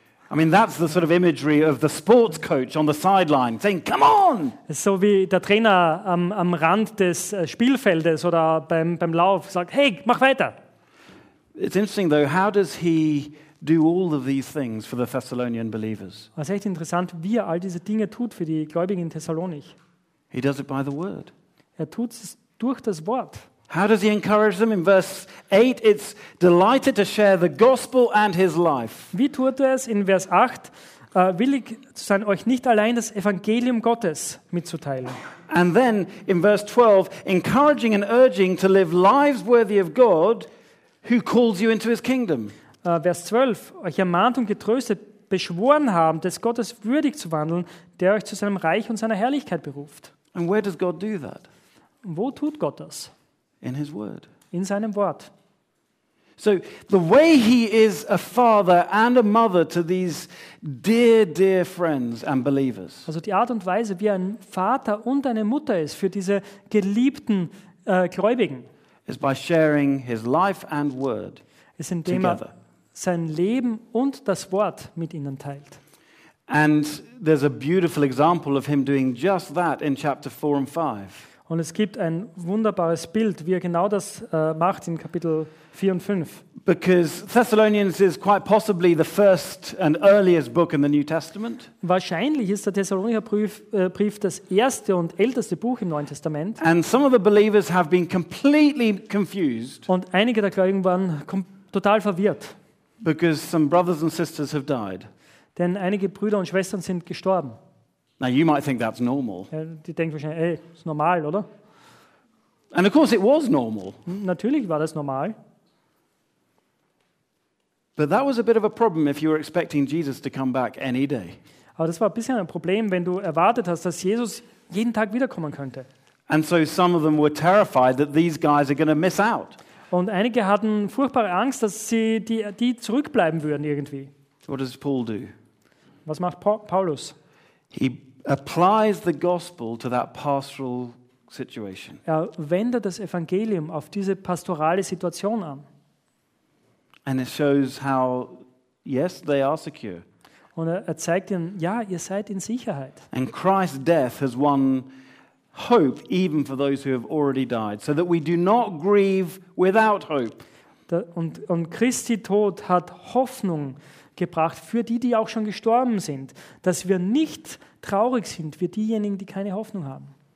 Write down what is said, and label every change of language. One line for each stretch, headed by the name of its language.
English: I mean, that's the sort of imagery of the sports coach on the sideline saying, come on!
German: So wie der Trainer am Rand des Spielfeldes oder beim Lauf sagt, hey, mach weiter!
English: It's interesting though, how does he do all of these things for the Thessalonian believers?
German: Was echt interessant, wie er all diese Dinge tut für die Gläubigen in Thessalonich.
English: He does it by the word.
German: Er tut es durch das Wort.
English: How does he encourage them? In verse 8, it's delighted to share the gospel and his life.
German: Wie tut er es? In Vers 8, willig zu sein, euch nicht allein das Evangelium Gottes mitzuteilen.
English: And then in verse 12, encouraging and urging to live lives worthy of God who calls you into his kingdom.
German: Vers 12, euch ermahnt und getröstet, beschworen haben, des Gottes würdig zu wandeln, der euch zu seinem Reich und seiner Herrlichkeit beruft.
English: And where does God do that?
German: Wo tut Gott das?
English: In his word.
German: In seinem Wort.
English: So the way he is a father and a mother to these dear, dear friends and believers.
German: Also die Art und Weise, wie ein Vater und eine Mutter ist für diese geliebten Gläubigen.
English: Is by sharing his life and word.
German: Ist, indem er sein Leben und das Wort mit ihnen teilt.
English: And there's a beautiful example of him doing just that in chapter 4 and 5.
German: Und es gibt ein wunderbares Bild, wie er genau das macht in Kapitel 4 und 5.
English: Because Thessalonians is quite possibly the first and earliest book in the New Testament.
German: Wahrscheinlich ist der Thessalonicher Brief das erste und älteste Buch im Neuen Testament.
English: And some of the believers have been completely confused.
German: Und einige der Gläubigen waren total verwirrt.
English: Because some brothers and sisters have died.
German: Denn einige Brüder und Schwestern sind gestorben.
English: Now you might think that's normal.
German: Die denken wahrscheinlich, ey, ist normal, oder?
English: And of course it was normal.
German: Natürlich war das normal.
English: But that was a bit of a problem if you were expecting Jesus to come back any day.
German: Aber das war ein bisschen ein Problem, wenn du erwartet hast, dass Jesus jeden Tag wiederkommen könnte.
English: And so some of them were terrified that these guys are going to miss out.
German: Und einige hatten furchtbare Angst, dass sie die zurückbleiben würden irgendwie.
English: What does Paul do?
German: Was macht Paulus?
English: He applies the gospel to that pastoral situation.
German: Er wendet das Evangelium auf diese pastorale Situation an.
English: And it shows how, yes, they are secure.
German: Und er zeigt ihnen, ja, ihr seid in Sicherheit.
English: And Christ's death has won hope even for those who have already died, so that we do not grieve without hope.
German: Und Christi Tod hat Hoffnung gebracht für die auch schon gestorben sind, dass wir nicht traurig sind für diejenigen, die keine Hoffnung haben.